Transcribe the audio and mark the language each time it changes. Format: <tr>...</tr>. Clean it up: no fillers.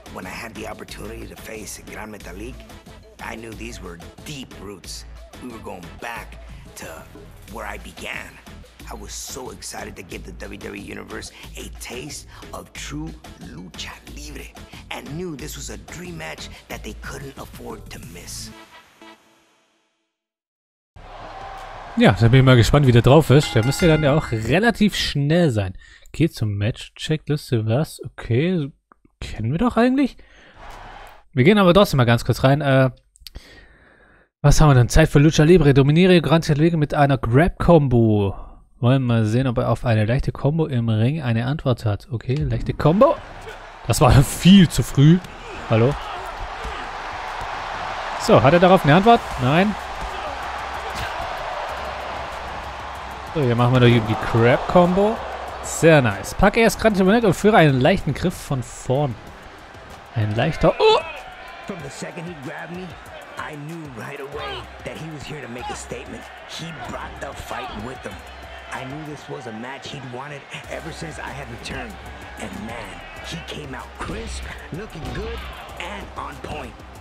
<en>When I had the opportunity to face Gran Metalik, I knew these were deep roots. We were going back to where I began. I was so excited to give the WWE Universe a taste of true Lucha Libre and knew this was a dream match that they couldn't afford to miss.</en> <de>Ja, da bin ich mal gespannt, wie der drauf ist. Der müsste dann ja auch relativ schnell sein. Geht zum Match-Checkliste, was? Okay, kennen wir doch eigentlich. Wir gehen aber trotzdem mal ganz kurz rein. Was haben wir denn? Zeit für Lucha Libre. Dominiere Gran Metalik mit einer Grab-Combo. Wollen mal sehen, ob er auf eine leichte Combo im Ring eine Antwort hat. Okay, leichte Combo. Das war viel zu früh. Hallo? So, hat er darauf eine Antwort? Nein. So, hier machen wir noch die Crab-Combo. Sehr nice. Packe erst Gran Metalik und führe einen leichten Griff von vorn. Ein leichter... Oh!</de> <en>From the second he grabbed me, I knew right away that he was here to make a statement. He brought the fight with him. I knew this was a match he'd wanted ever since I had returned. And man, he came out crisp, looking good, and on point.</en>